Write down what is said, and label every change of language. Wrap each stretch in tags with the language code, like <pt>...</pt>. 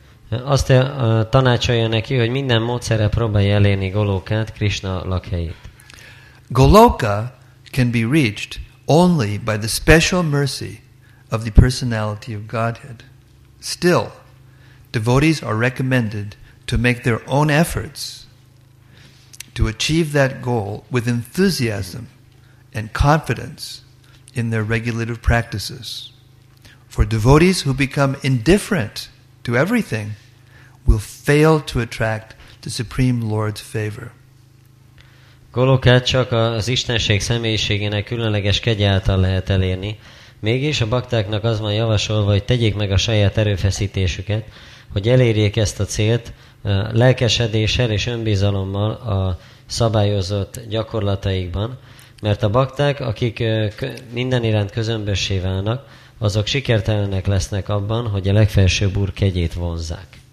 <hu>Azt tanácsolja neki, hogy minden módszerrel próbálja elérni Golokát, Krishna lakhelyét.</hu> <en>Goloka can be reached only by the special mercy of the personality of Godhead. Still, devotees are recommended to make their own efforts to achieve that goal with enthusiasm and confidence in their regulative practices. For devotees who become indifferent to everything will fail to attract the Supreme Lord's favor.</en> <hu>Golokát csak az Istenség személyiségének különleges kegye által lehet elérni. Mégis a baktáknak az van javasolva, hogy tegyék meg a saját erőfeszítésüket, hogy elérjék ezt a célt lelkesedéssel és önbizalommal a szabályozott gyakorlataikban, mert a bakták, akik minden iránt közömbössé válnak, azok sikertelenek lesznek abban, hogy a legfelsőbb úr kegyét vonzzák.</hu>